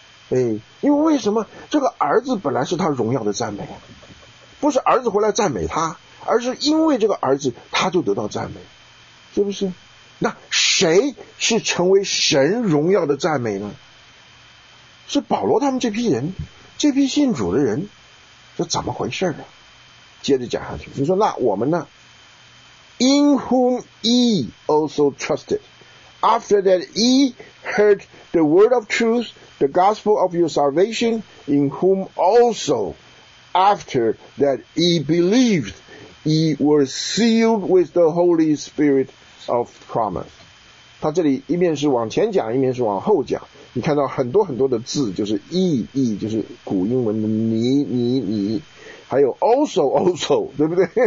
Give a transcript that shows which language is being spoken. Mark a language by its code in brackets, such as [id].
[zh] 哎，因为为什么？这个儿子本来是他荣耀的赞美，不是儿子回来赞美他，而是因为这个儿子他就得到赞美，是不是？那谁是成为神荣耀的赞美呢？是保罗他们这批人，这批信主的人，这怎么回事呢？接着讲下去，你说那我们呢？ [en] In whom he also trusted, after that he heard the word of truth, the gospel of your salvation, in whom also, after that he believed, he was sealed with the Holy Spirit of promise. [zh] 他这里一面是往前讲，一面是往后讲。你看到很多很多的字，就是 he 就是古英文的你，还有 also， 对不对？